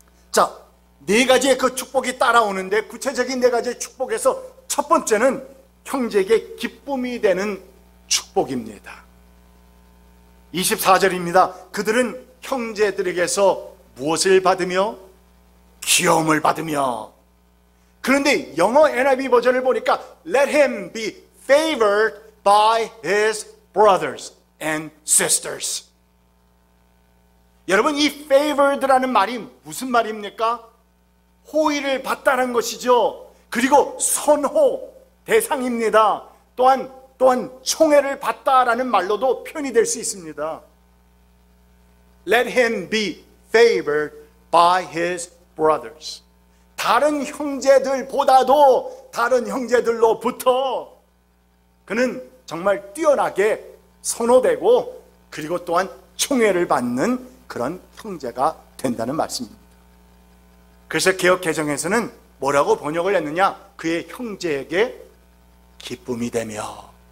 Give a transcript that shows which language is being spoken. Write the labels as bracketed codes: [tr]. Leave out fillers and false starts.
[ko] 자, 네 가지의 그 축복이 따라오는데 구체적인 네 가지의 축복에서 첫 번째는 형제에게 기쁨이 되는 축복입니다. 24절입니다. 그들은 형제들에게서 무엇을 받으며? 귀여움을 받으며. 그런데 영어 NIV 버전을 보니까 [en] Let him be favored by his brothers and sisters. [ko] 여러분 이 favored라는 말이 무슨 말입니까? 호의를 받다는 것이죠. 그리고 선호 대상입니다. 또한 총애를 받다라는 말로도 표현이 될 수 있습니다. [en] Let him be favored by his brothers. [ko] 다른 형제들보다도 다른 형제들로부터 그는 정말 뛰어나게 선호되고 그리고 또한 총애를 받는 그런 형제가 된다는 말씀입니다. 그래서 개역 개정에서는 뭐라고 번역을 했느냐? 그의 형제에게 기쁨이 되며.